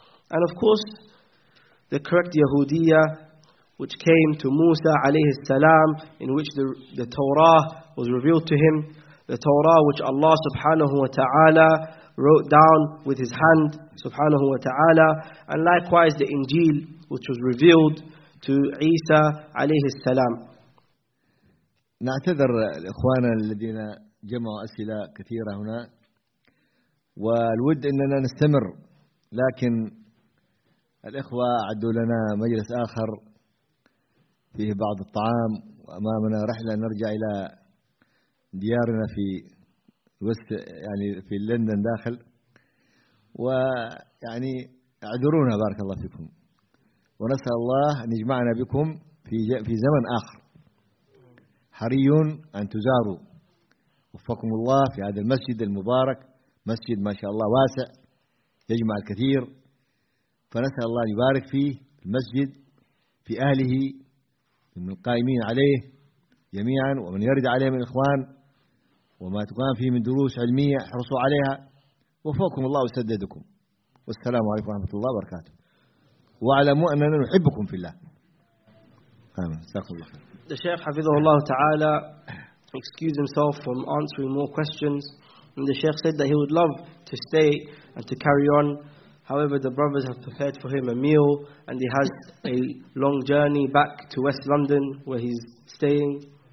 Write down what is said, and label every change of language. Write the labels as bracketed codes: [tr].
[en] And of course, the correct Yahudiya, which came to Musa alayhi salam, in which the Torah was revealed to him, the Torah which Allah subhanahu wa ta'ala wrote down with his hand, subhanahu wa ta'ala, and likewise the Injil which was revealed to Isa alayhi salam. [ar] نعتذر الإخوان الذين جمعوا أسئلة كثيرة هنا، والود أننا نستمر، لكن الإخوة أعدوا لنا مجلس آخر فيه بعض الطعام، وأمامنا رحلة نرجع إلى ديارنا في وست يعني في لندن داخل، ويعني اعذرونا بارك الله فيكم، ونسأل الله أن يجمعنا بكم في زمن آخر، حري أن تزاروا وفقكم الله في هذا المسجد المبارك، مسجد ما شاء الله واسع يجمع الكثير، فنسأل الله أن يبارك فيه المسجد في أهله من القائمين عليه جميعا ومن يرد عليه من الإخوان وما تقام فيه من دروس علمية احرصوا عليها، وفوقكم الله وسددكم، والسلام عليكم ورحمة الله وبركاته، واعلموا أننا نحبكم في الله. آمين. استغفر الله. [en] The Shaykh [ar] حفظه الله تعالى [en] excused himself from answering more questions, and the Shaykh said that he would love to stay and to carry on. However, the brothers have prepared for him a meal, and he has a long journey back to West London where he's staying.